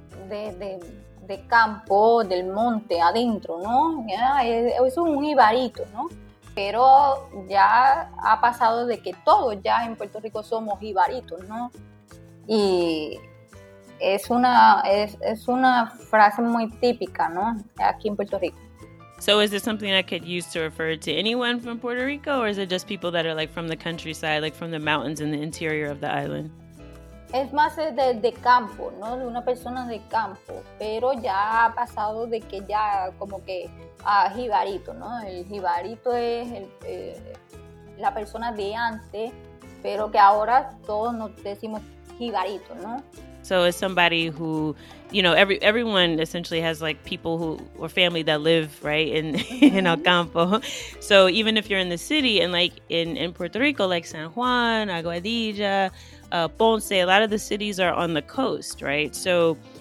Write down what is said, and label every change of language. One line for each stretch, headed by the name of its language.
Spanish: De campo, del monte, adentro, ¿no? Yeah, es un jibarito, ¿no? Pero ya ha pasado de que todos ya en Puerto Rico somos jibaritos, ¿no? Y Es una frase muy típica, ¿no? Aquí en Puerto Rico.
English: So is this something I could use to refer to anyone from Puerto Rico, or is it just people that are like from the countryside, like from the mountains in the interior of the island?
Spanish: Es más de campo, ¿no? De una persona de campo. Pero ya ha pasado de que ya como que jibarito, ¿no? El jibarito es la persona de antes, pero que ahora todos nos decimos jibarito, ¿no?
English: So it's somebody who, you know, everyone essentially has like people who or family that live right in El Campo. So even if you're in the city and like in Puerto Rico, like San Juan, Aguadilla, Ponce, a lot of the cities are on the coast, right? So